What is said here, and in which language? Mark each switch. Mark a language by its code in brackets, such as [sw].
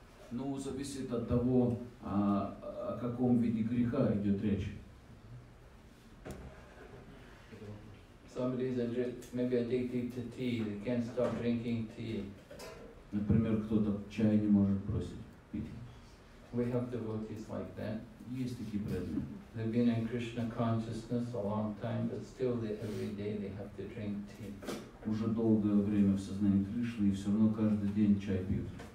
[ru] Ну, зависит от того, о каком виде греха идет речь. [en] Somebody's maybe addicted to tea. They can't stop drinking tea. [ru] Например, кто-то чай не может бросить пить. [en] We have devotees like that. [ru] Есть такие преданные. [en] They've been in Krishna consciousness a long time, but still every day they have to drink tea. [ru] Уже долгое время в сознании Кришны, и все равно каждый день чай пьют.